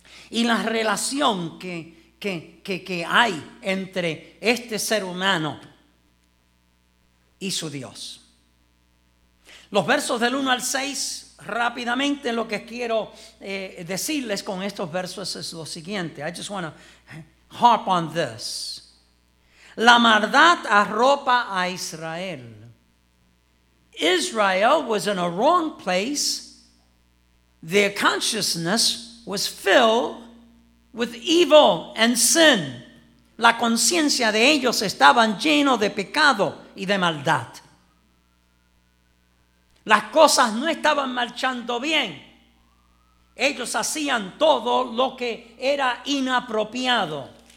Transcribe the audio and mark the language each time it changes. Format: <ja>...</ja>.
<es>Y la relación que hay entre este ser humano y su Dios. Los versos del 1 al 6, rápidamente lo que quiero decirles con estos versos es lo siguiente.</es> <en>I just want to harp on this.</en> <es>La maldad arropa a Israel.</es> <en>Israel was in a wrong place. Their consciousness was filled with evil and sin.</en> <es>La conciencia de ellos estaba llena de pecado y de maldad. Las cosas no estaban marchando bien. Ellos hacían todo lo que era inapropiado.</es>